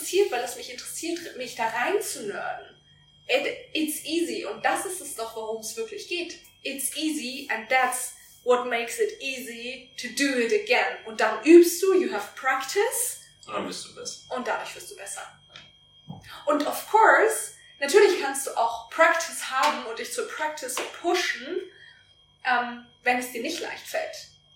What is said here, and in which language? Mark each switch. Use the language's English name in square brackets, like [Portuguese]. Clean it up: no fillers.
[German] Weil es mich interessiert, mich da rein zu nerden. [English] It's easy. [German] Und das ist es doch, worum es wirklich geht. [English] It's easy and that's what makes it easy to do it again. [German] Und dann übst du, [English] you have practice. [German] Und dann wirst du besser. Und dadurch wirst du besser. Und of course, natürlich kannst du auch practice haben und dich zur practice pushen, wenn es dir nicht leicht fällt.